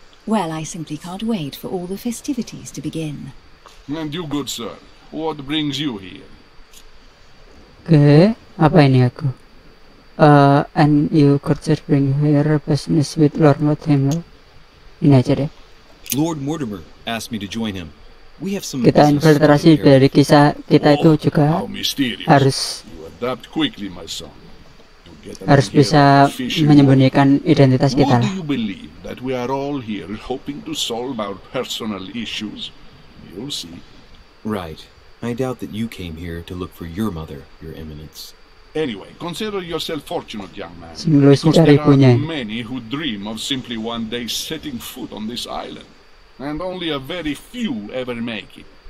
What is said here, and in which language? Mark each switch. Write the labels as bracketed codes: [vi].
[en] Well, I simply can't wait for all the festivities to begin. And you, good sir, what brings you here? [id] Okay, apa ini aku? [en] And you, good sir, bring here business with Lord Mortimer. [id] Ini aja deh. [en] Lord Mortimer asked me to join him. We have some. [id] Kita infiltrasi dari kisah kita itu juga. [en] How mysterious. [id] Harus. [en] You adapt quickly, my son. [id] Harus bisa menyembunyikan identitas kita. [en] What do you believe that we are all here hoping to solve our personal issues? You'll see. Right. I doubt that you came here to look for your mother, Your Eminence. Anyway, consider yourself fortunate, young man. Because there are many who dream of simply one day setting foot on this island, and only a very few ever make it.